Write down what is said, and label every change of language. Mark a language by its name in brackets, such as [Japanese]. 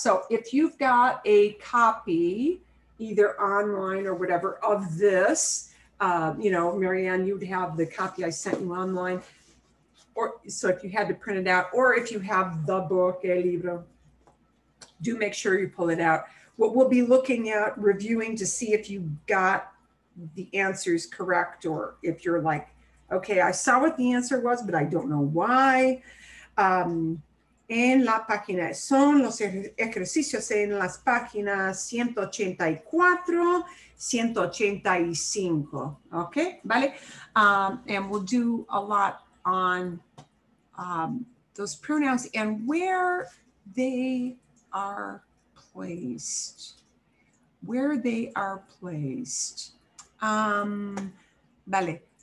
[English] So if you've got a copy, either online or whatever, of this, Marianne, you'd have the copy I sent you online, or so if you had to print it out, or if you have the book, el libro, do make sure you pull it out. What we'll be looking at, reviewing, to see if you got the answers correct, or if you're like, okay, I saw what the answer was, but I don't know why. [Spanish] En la página, son los ejercicios en las páginas 184, 185. Okay, vale. [English] And we'll do a lot on those pronouns and where they are placed. Where they are placed. Vale.